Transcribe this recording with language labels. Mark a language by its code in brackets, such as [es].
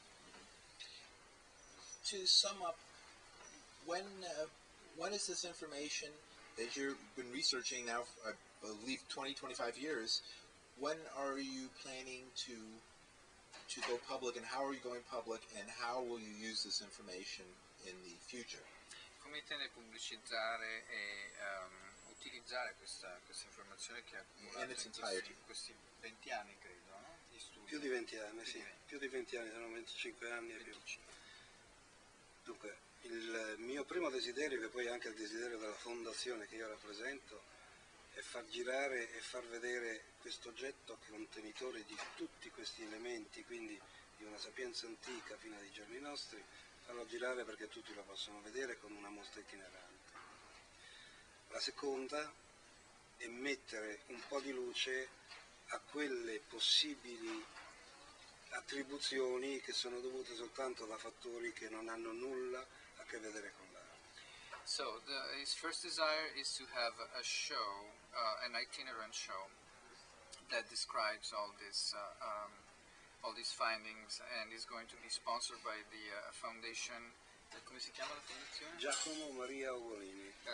[en] To sum up, when is this information that you've been researching now for, I believe, 20-25 years, when are you planning to go public, and how are you going public, and how will you use this information in the future? [it] Come intende pubblicizzare e utilizzare questa informazione che ha accumulato in questi 20 anni, credo, no? Di studio. Più di 20 anni, sì. Più di 20 anni, sono 25 anni e più. Dunque, il mio primo desiderio, che poi è anche il desiderio della fondazione che io rappresento, è far girare e far vedere questo oggetto, che è contenitore di tutti questi elementi, quindi di una sapienza antica fino ai giorni nostri, farlo girare perché tutti lo possono vedere con una mostra itinerante. La seconda è mettere un po' di luce a quelle possibili attribuzioni che sono dovute soltanto da fattori che non hanno nulla a che vedere con l'arte. [en] So, his first desire is to have a show, an itinerant show, that describes all this, all these findings, and is going to be sponsored by the foundation. [it] Come si chiama la fondazione? Giacomo Maria Ugolini.